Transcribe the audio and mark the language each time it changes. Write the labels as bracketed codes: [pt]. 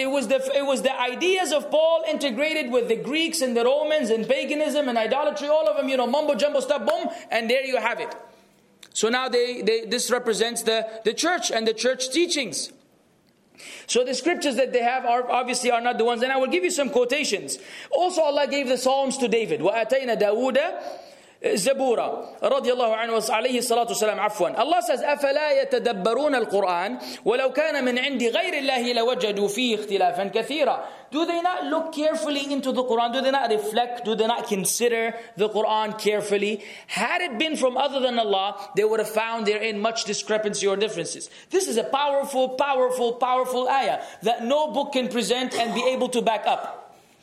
[en] It was the ideas of Paul integrated with the Greeks and the Romans and paganism and idolatry, all of them, you know, mumbo jumbo stuff, boom, and there you have it. So now this represents the church and the church teachings. So the scriptures that they have are obviously not the ones. And I will give you some quotations. Also, Allah gave the Psalms to David. [ar] وَأَتَيْنَا دَاوُودَ زَبُورًا رَضِيَ اللَّهُ عَنْهُ وَعَلَيْهِ الصَّلَاةُ وَالسَّلَامُ عَفْوًا. [en] Allah says, [ar] أَفَلَا يَتَدَبَّرُونَ الْقُرْآنَ وَلَوْ كَانَ مِنْ عِنْدِ غَيْرِ اللَّهِ لَوَجَدُوا فِيهِ اخْتِلَافًا كَثِيرًا. [en] Do they not look carefully into the Quran? Do they not reflect? Do they not consider the Quran carefully? Had it been from other than Allah, they would have found therein much discrepancy or differences. This is a powerful, powerful, powerful ayah that no book can present and be able to back up.